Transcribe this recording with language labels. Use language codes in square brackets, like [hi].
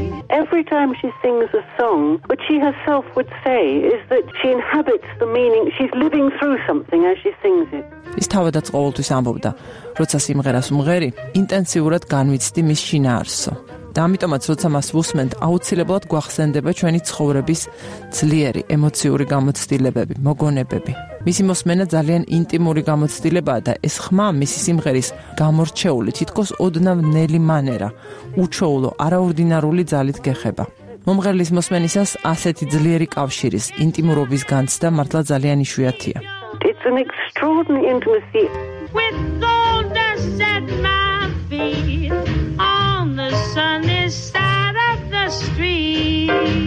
[en] Every time she sings a song, what she herself would say is that she inhabits the meaning, she's living through something as she sings it. [ka] ის თავადაც ყოველთვის ამბობდა, როცა სიმღერას მღერი, ინტენსიურად განვიცდი მის შინაარსო. და ამიტომაც, როცა მას ვუსმენთ, აუცილებლად გვახსენდება ჩვენი ცხოვრების ძლიერი ემოციური გამოცდილებები, მოგონებები. მისი მოსმენა ძალიან ინტიმური გამოცდილებაა და ეს ხმა მისი სიმღერის გამორჩეული, თითქოს ოდნავ ნელი მანერა, უჩვეულო, არაორდინარული ძალით გეხება. მომღერლის მოსმენისას ასეთი ძლიერი კავშირის, ინტიმურობის განცდა მართლა ძალიან იშვიათია. [en] It's an extraordinary intimacy with the dust at my feet on the sunny side of the street.